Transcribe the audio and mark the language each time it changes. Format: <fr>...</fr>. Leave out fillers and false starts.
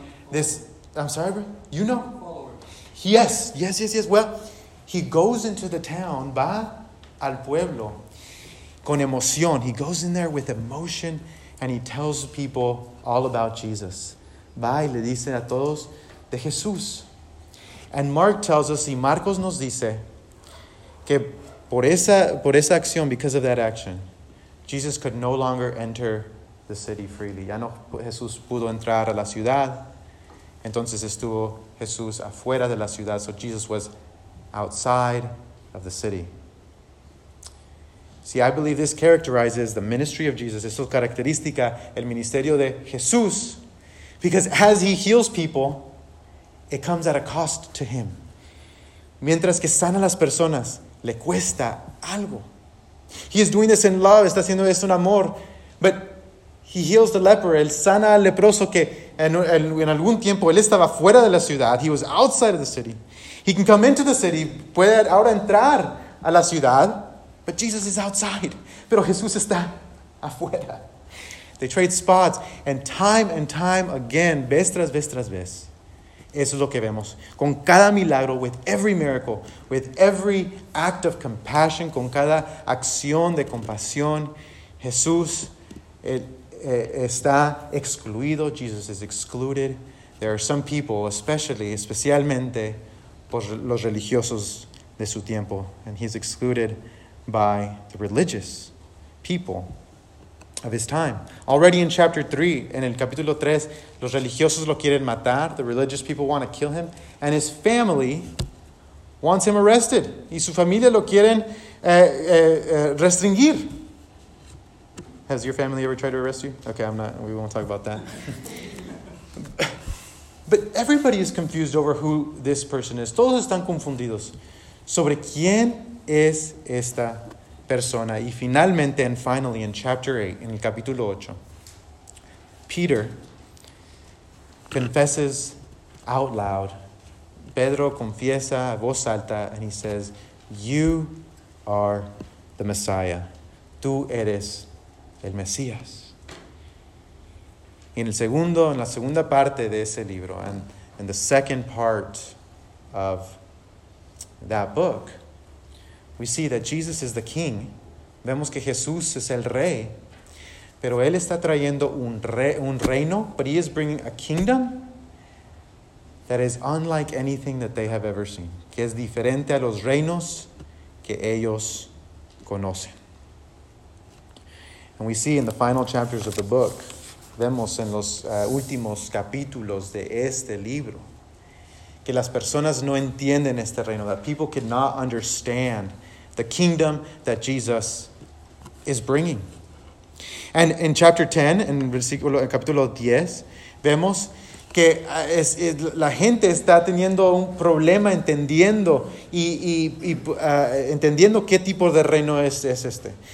<en>This, I'm sorry, bro. You know? Yes. Well, he goes into the town,</en> <es>va al pueblo, con emoción.</es> <en>He goes in there with emotion, and he tells people all about Jesus.</en> <es>Va y le dice a todos de Jesús.</es> <en>And Mark tells us,</en> <es>y Marcos nos dice, que por esa acción,</es> <en>because of that action, Jesus could no longer enter the city freely.</en> <es>Ya no Jesús pudo entrar a la ciudad. Entonces estuvo Jesús afuera de la ciudad.</es> <en>So Jesus was outside of the city. See, I believe this characterizes the ministry of Jesus.</en> <es>Esto caracteriza el ministerio de Jesús.</es> <en>Because as he heals people, it comes at a cost to him.</en> <es>Mientras que sana a las personas, le cuesta algo.</es> <en>He is doing this in love.</en> <es>Está haciendo esto en amor.</es> <en>But he heals the leper.</en> <es>Él sana al leproso que en algún tiempo él estaba fuera de la ciudad.</es> <en>He was outside of the city. He can come into the city.</en> <es>Puede ahora entrar a la ciudad.</es> <en>But Jesus is outside.</en> <es>Pero Jesús está afuera.</es> <en>They trade spots. And time again,</en> <es>vez tras vez tras vez, eso es lo que vemos. Con cada milagro,</es> <en>with every miracle, with every act of compassion,</en> <es>con cada acción de compasión, Jesús está excluido.</es> <en>Jesus is excluded. There are some people,</en> <es>especialmente por los religiosos de su tiempo,</es> <en>and he's excluded by the religious people of his time. Already in chapter 3,</en> <es>en el capítulo 3, los religiosos lo quieren matar.</es> <en>The religious people want to kill him. And his family wants him arrested.</en> <es>Y su familia lo quieren restringir.</es> <en>Has your family ever tried to arrest you? Okay, we won't talk about that. But everybody is confused over who this person is.</en> <es>Todos están confundidos sobre quién es esta persona. Y finalmente,</es> <en>and finally, in chapter 8,</en> <es>en el capítulo 8,</es> <en>Peter confesses out loud.</en> <es>Pedro confiesa a voz alta,</es> <en>and he says, "You are the Messiah.</en> <es>Tú eres el Mesías." Y en el segundo, en la segunda parte de ese libro,</es> <en>and in the second part of that book, we see that Jesus is the king.</en> <es>Vemos que Jesús es el rey. Pero él está trayendo un reino.</es> <en>But he is bringing a kingdom that is unlike anything that they have ever seen.</en> <es>Que es diferente a los reinos que ellos conocen.</es> <en>And we see in the final chapters of the book.</en> <es>Vemos en los últimos capítulos de este libro. Que las personas no entienden este reino.</es> <en>That people cannot understand the kingdom that Jesus is bringing. And in chapter 10,</en> <es>en versículo, en capítulo 10, vemos que la gente está teniendo un problema entendiendo entendiendo qué tipo de reino es este.</es>